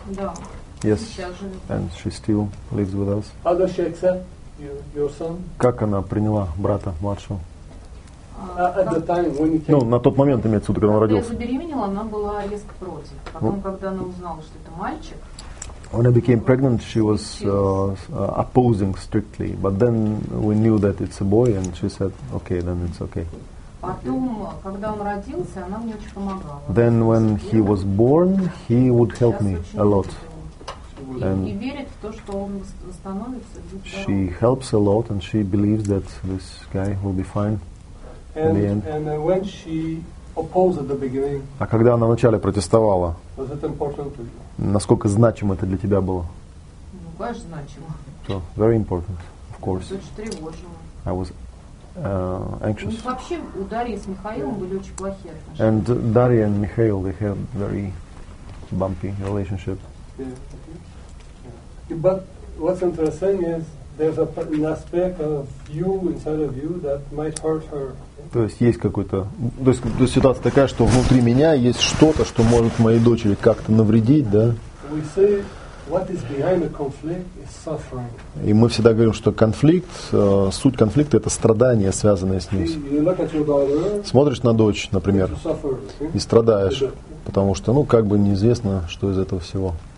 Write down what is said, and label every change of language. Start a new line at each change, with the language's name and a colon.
Russian: Да.
English: Yes. And she still lives with us. How does she accept your son?
Russian: Как она приняла брата младшего?
English: At the time when you came.
Russian: Ну, на тот момент, имеется в виду, когда он родился. Когда я забеременела, она была резко против. Потом, когда она узнала, что это мальчик.
English: When I became pregnant, she was opposing strictly. But then we knew that it's a boy, and she said, "Okay, then it's okay."
Russian: Потом, когда он родился, она мне очень помогала.
English: Then when he was born, he would help me a lot. And he
Russian: верит в то, что он восстановится.
English: She helps a lot, and she believes that this guy will be fine in the end. And when she opposed at the beginning.
Russian: А когда она вначале протестовала?
English: Was it important to you?
Russian: Насколько значимо это для тебя было? Ну, конечно, значимо.
English: So, very important, of course.
Russian: Очень тревожно.
English: I was anxious.
Russian: Вообще у Дарьи с Михаилом были очень плохие отношения.
English: And Дарья and Михаил, they had very bumpy relationship. Yeah. But what's interesting is there's an aspect of you inside of you that might hurt her.
Russian: То есть есть какой-то, то есть ситуация такая, что внутри меня есть что-то, что может моей дочери как-то навредить, да?
English: We say what is behind the conflict is suffering.
Russian: И мы всегда говорим, что конфликт, суть конфликта – это страдания, связанные с ним. Смотришь на дочь, например, и страдаешь, потому что, ну, как бы неизвестно, что из этого всего.